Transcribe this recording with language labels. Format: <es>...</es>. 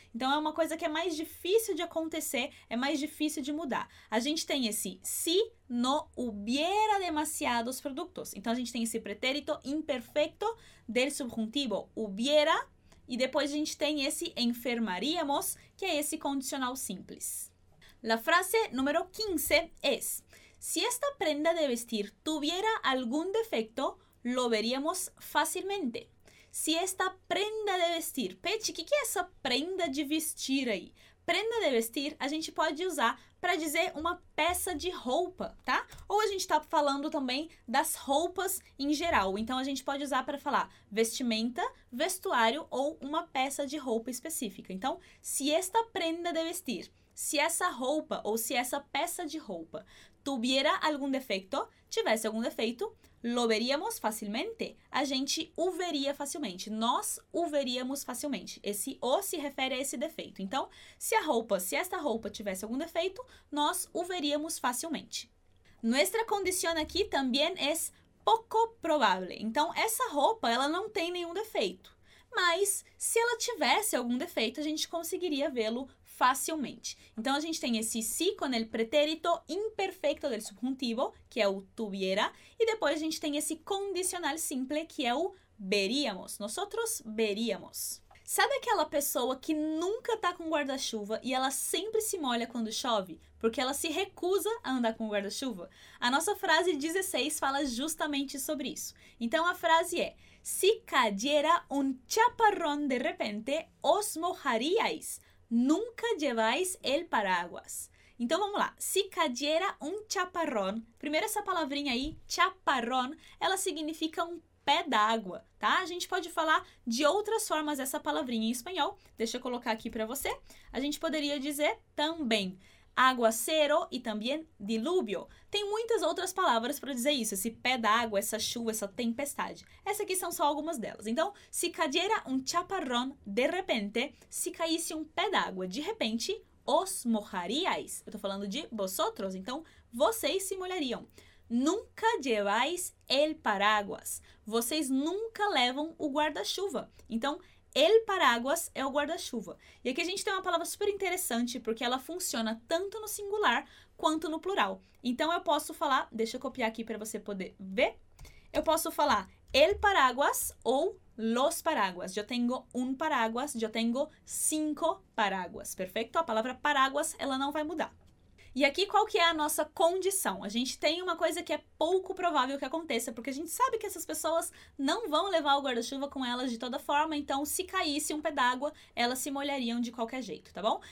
<pt>Então, é uma coisa que é mais difícil de acontecer, é mais difícil de mudar. A gente tem esse se</pt> <es>no hubiera demasiados productos.</es> <pt>Então, a gente tem esse pretérito imperfecto del subjuntivo, hubiera, e depois a gente tem esse enfermaríamos, que é esse condicional simples.</pt> <es>La frase número 15 es: si esta prenda de vestir tuviera algún defecto, lo veríamos fácilmente. Si esta prenda de vestir...</es> <pt>Peti, o que é essa prenda de vestir aí? Prenda de vestir, a gente pode usar para dizer uma peça de roupa, tá? Ou a gente está falando também das roupas em geral. Então, a gente pode usar para falar vestimenta, vestuário ou uma peça de roupa específica. Então,</pt> <es>si esta prenda de vestir,</es> <pt>si essa roupa ou si essa peça de roupa</pt> <es>tuviera algún defecto,</es> <pt>tivesse algum defeito,</pt> <es>lo veríamos facilmente.</es> <pt>A gente o veria facilmente. Nós o veríamos facilmente. Esse o se refere a esse defeito. Então, se esta roupa tivesse algum defeito, nós o veríamos facilmente.</pt> <es>Nuestra condición aquí también es poco probable.</es> <pt>Então, essa roupa, ela não tem nenhum defeito. Mas, se ela tivesse algum defeito, a gente conseguiria vê-lo facilmente. Então, a gente tem esse si com o pretérito imperfeito del subjuntivo, que é o tuviera, e depois a gente tem esse condicional simple, que é o veríamos.</pt> <es>Nosotros veríamos.</es> <pt>Sabe aquela pessoa que nunca tá com guarda-chuva e ela sempre se molha quando chove? Porque ela se recusa a andar com guarda-chuva? A nossa frase 16 fala justamente sobre isso. Então, a frase é:</pt> <es>si cayera un chaparrón de repente, os mojaríais. Nunca lleváis el paraguas.</es> <pt>Então vamos lá.</pt> <es>Si cayera un chaparrón.</es> <pt>Primeiro, essa palavrinha aí, chaparrón, ela significa um pé d'água, tá? A gente pode falar de outras formas essa palavrinha em espanhol. Deixa eu colocar aqui para você. A gente poderia dizer também aguacero e também diluvio. Tem muitas outras palavras para dizer isso, esse pé d'água, essa chuva, essa tempestade. Essas aqui são só algumas delas. Então,</pt> <es>si cayera un chaparrón de repente,</es> <pt>se caísse um pé d'água, de repente,</pt> <es>os mojaríais.</es> <pt>Eu estou falando de vosotros, então vocês se molhariam.</pt> <es>Nunca lleváis el paraguas.</es> <pt>Vocês nunca levam o guarda-chuva. Então, el paraguas é o guarda-chuva. E aqui a gente tem uma palavra super interessante porque ela funciona tanto no singular quanto no plural. Então eu posso falar, deixa eu copiar aqui para você poder ver. Eu posso falar el paraguas ou los paraguas.</pt> <es>Yo tengo un paraguas, yo tengo cinco paraguas.</es> <pt>Perfeito? A palavra paraguas, ela não vai mudar. E aqui qual que é a nossa condição? A gente tem uma coisa que é pouco provável que aconteça, porque a gente sabe que essas pessoas não vão levar o guarda-chuva com elas de toda forma, então se caísse um pé d'água, elas se molhariam de qualquer jeito, tá bom?</pt>